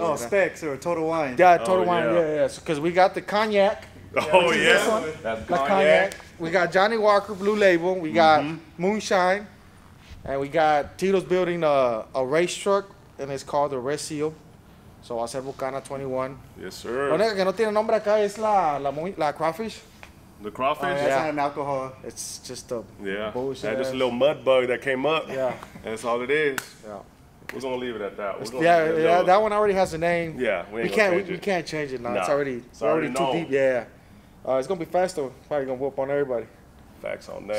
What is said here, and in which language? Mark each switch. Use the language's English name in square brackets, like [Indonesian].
[English] Oh, Specs or Total Wine. Yeah, Total Wine. Yeah. Because we got the cognac. Yeah, that's the cognac. We got Johnny Walker Blue Label. We got Moonshine. And we got Tito's building a race truck, and it's called the Recio. So I said Bucana 21. Yes, sir. [Spanish] Lo único que no tiene nombre acá es la crawfish. [English] The crawfish? It's not an alcohol. It's just bullshit. Yeah, just a little mud bug that came up. Yeah. That's all it is. Yeah. We're going to leave it at that. That one already has a name. Yeah, we can't change it. Nah. It's already too deep. Yeah. It's going to be fast though. Probably going to whoop on everybody. Facts on that.